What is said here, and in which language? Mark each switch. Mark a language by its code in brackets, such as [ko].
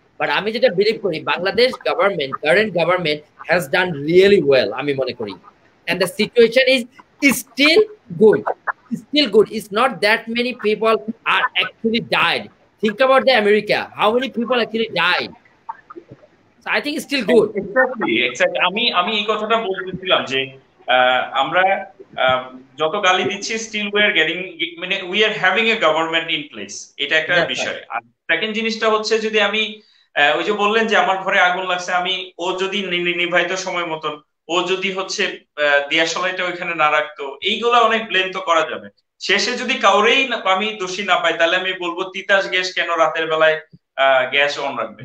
[bn] But আমি যেটা believe করি, [en] Bangladesh government, current government has done really well, [bn] আমি মনে করি, [en] And the situation is still good, it's not that many people are actually died, think about the America, how many people actually died, I think it's still good. Exactly. [bn] আমি এই কথাটা বলতেছিলাম যে আমরা যত গালি দিচ্ছি, [en] still we are getting, [bn] মানে [en] we are having a government in place. [bn] এটা একটা বিষয়। আর সেকেন্ড জিনিসটা হচ্ছে, যদি আমি ওই যে বললেন যে আমার ঘরে আগুন লাগছে, আমি ও যদি নির্বাহিত সময় মতন, ও যদি হচ্ছে দিয়াশলাইটা ওইখানে না রাখতো, এইগুলা অনেক ব্লেম তো করা যাবে। শেষে যদি কাউরেই আমি দোষী না পাই, তাহলে আমি বলবো তিতাস গ্যাস কেন রাতের বেলায় গ্যাস অন রাখবে,